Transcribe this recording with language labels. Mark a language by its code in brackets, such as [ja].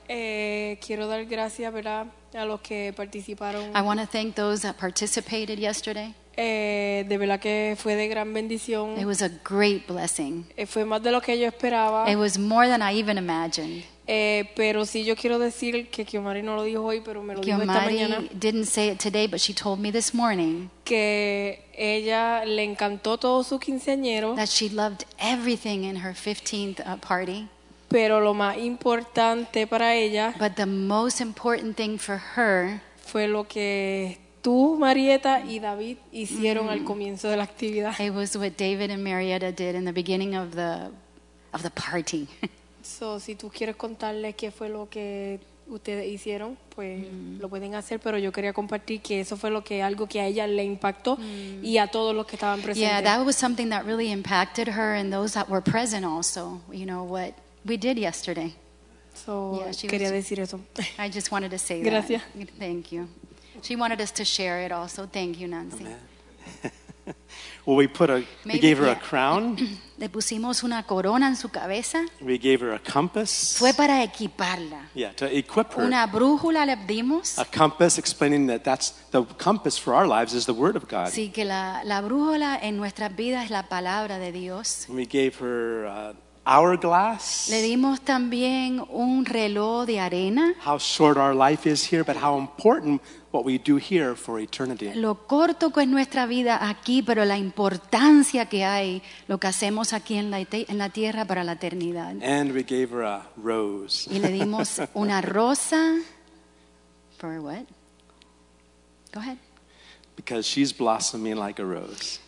[es] Quiero dar gracias, ¿verdad?, a los que participaron. [en] I want to thank those that participated yesterday. [es] De verdad que fue de gran bendición. [en] It was a great blessing. [es] Fue más de lo que yo esperaba. [en] It was more than I even imagined. [es] Pero sí, yo quiero decir que Kiomari no lo dijo hoy, pero me lo dijo esta mañana. [en] Kiomari didn't say it today, but she told me this morning. [es] Que ella le encantó todo su quinceañero. [en] That she loved everything in her 15th party. [es] Pero lo más importante para ella. [en] But the most important thing for her. [es] Fue lo que tú, Marieta, y David hicieron al comienzo de la actividad. [en] It was what David and Marieta did in the beginning of the party. [es] So, si tú quieres contarles qué fue lo que ustedes hicieron, pues lo pueden hacer, pero yo quería compartir que eso fue algo que a ella le impactó y a todos los que estaban presentes. [en] Yeah, that was something that really impacted her and those that were present also, you know, what we did yesterday. So, yeah, [es] quería decir eso. [en] I just wanted to say [es] gracias. [en] That. [es] Gracias. [en] Thank you. She wanted us to share it also. Thank you, Nancy. Well, we gave her a crown. [es] Le pusimos una corona en su cabeza. [en] We gave her a compass. [es] Fue para equiparla. [en] Yeah, to equip her. [es] Una brújula le dimos. [en] A compass, explaining that's the compass for our lives is the Word of God. [es] Sí, que la brújula en nuestras vidas es la palabra de Dios. [en] We gave her hourglass. [es] Le dimos también un reloj de arena. [en] How short our life is here, but how important what we do here for eternity. [es] Lo corto que es nuestra vida aquí, pero la importancia que hay lo que hacemos aquí en la tierra para la eternidad. [en] And we gave her a rose. [es] Y le dimos una rosa. [en] For what? Go ahead. Because she's blossoming like a rose.